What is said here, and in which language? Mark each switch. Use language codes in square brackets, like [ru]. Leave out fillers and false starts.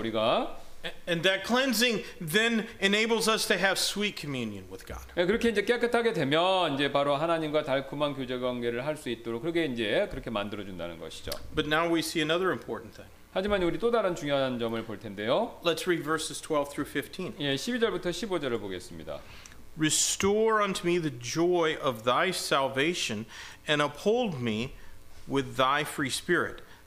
[ko] 우리가 [en] And that cleansing then enables us to have sweet communion with God. [ko] 그렇게 이제 깨끗하게 되면 이제 바로 하나님과 달콤한 교제 관계를 할 수 있도록 그렇게 이제 그렇게 만들어 준다는 것이죠. [en] But now we see another important thing. [ko] 하지만 우리 또 다른 중요한 점을 볼 텐데요. [en] Let's read verses 12 through 15. [ko] 예, 12절부터 15절을 보겠습니다. [en] Restore unto me the joy of thy salvation and uphold me with thy free spirit.